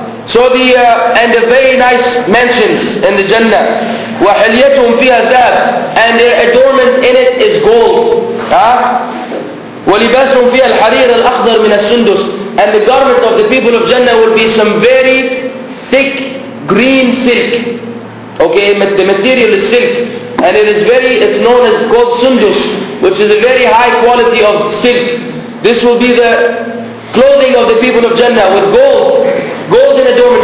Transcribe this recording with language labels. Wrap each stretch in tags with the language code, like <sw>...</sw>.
<en>So the and the very nice mansions in the Jannah.</en> <ar>وحليتهم فيها ذهب.</ar> <en>And their adornment in it is gold.</en> <ar>ولباسهم فيها الحرير الأخضر من السندس.</ar> <en>And the garment of the people of Jannah will be some very thick green silk. Okay, the material is silk. And it's known as called sundus, which is a very high quality of silk. This will be the clothing of the people of Jannah with gold. Gold in adornment.</en>